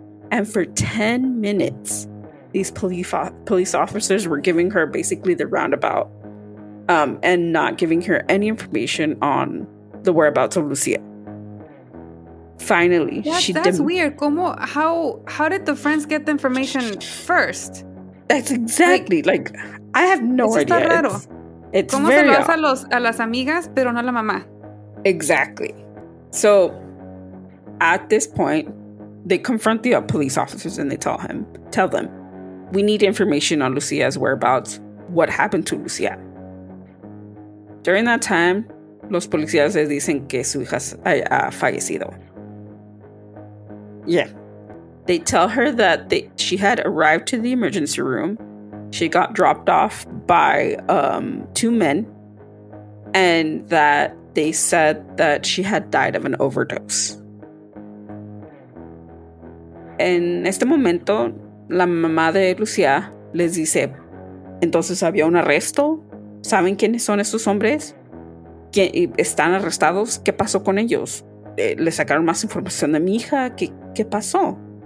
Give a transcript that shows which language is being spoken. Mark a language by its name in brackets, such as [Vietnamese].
[English] And for 10 minutes, these police officers were giving her basically the roundabout and not giving her any information on the whereabouts of Lucia. Finally, That's weird. How did the friends get the information first? That's exactly, like I have no idea. [Spanish] Está raro. [English] It's very odd. [Spanish] ¿Cómo se lo das a las amigas, pero no a la mamá? [English] Exactly. So at this point, they confront the police officers and they tell them, we need information on Lucia's whereabouts. What happened to Lucia? During that time, [Spanish] los policías le dicen que su hija ha fallecido. [English] Yeah. They tell her that she had arrived to the emergency room. She got dropped off by two men. And that they said that she had died of an overdose. [Spanish] En este momento, la mamá de Lucia les dice, entonces había un arresto. ¿Saben quiénes son estos hombres? ¿Están arrestados? ¿Qué pasó con ellos? ¿Le sacaron más información de mi hija? ¿Qué pasó?